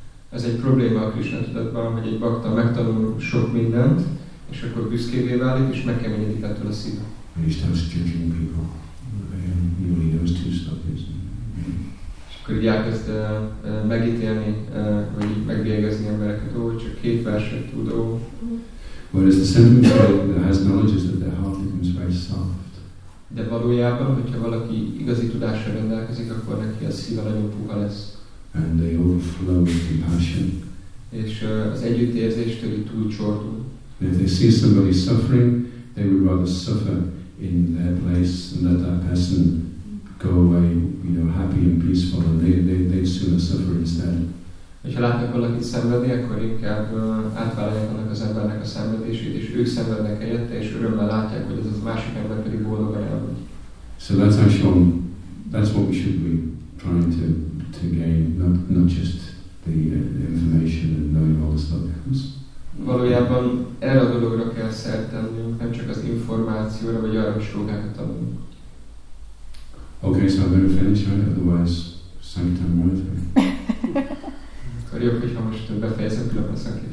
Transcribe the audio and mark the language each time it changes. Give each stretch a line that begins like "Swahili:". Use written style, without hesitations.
Hungarian: Ez egy probléma a Krishna tudatban, hogy egy bhakta megtanul sok mindent, és akkor büszkévé válik, és megkeményedik ettől a szíve. És akkor így elkezd megítélni, vagy megbélyegezni embereket, hogy csak két verset tudó.
English: Whereas the symptom that has knowledge is that their heart becomes very soft.
Hungarian: De valójában, hogyha valaki igazi tudással rendelkezik, akkor neki a szíve nagyon puha lesz.
English: And they overflow with compassion.
Hungarian: És az együttérzéstől túlcsordul.
English: If they see somebody suffering, they would rather suffer in their place and let that person go away, you know, happy and peaceful, and they sooner suffer instead.
Hungarian: És ha látnak valakit szenvedni, akkor inkább átvállalják annak az embernek a szenvedését, és ők szenvednek helyette, és örömmel látják, hogy ez az másik ember pedig boldog elmegy.
English: So that's actually, that's what we should be trying to gain, not just the information and knowing all the subjects.
Hungarian: Valójában erre a dologra kell szert tennünk, nem csak az információra, vagy arra is rógákat adunk.
English: Okay, so I'm going to finish, right? Otherwise, Sankirtan Monitor.
Hungarian: Akkor jobb, hogyha most befejezem, különben Sankirtan.